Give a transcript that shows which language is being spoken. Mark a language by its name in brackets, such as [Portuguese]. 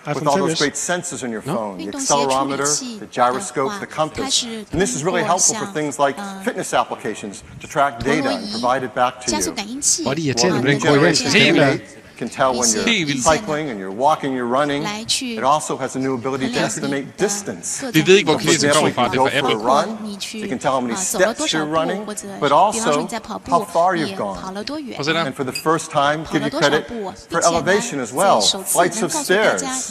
[English] With all those great sensors on your phone, the accelerometer, the gyroscope, the compass. And this is really helpful for things like fitness applications to track data and provide it back to you. [Danish] Hvor er det irriterende, [English] can tell when you're cycling and you're walking, you're running. It also has a new ability to estimate distance. [Danish] Vi ved ikke, hvor kinesen kommer fra, det er fra Apple. [English] It can tell how many steps you're running, but also how far you've gone. And for the first time, give you credit for elevation as well, flights of stairs.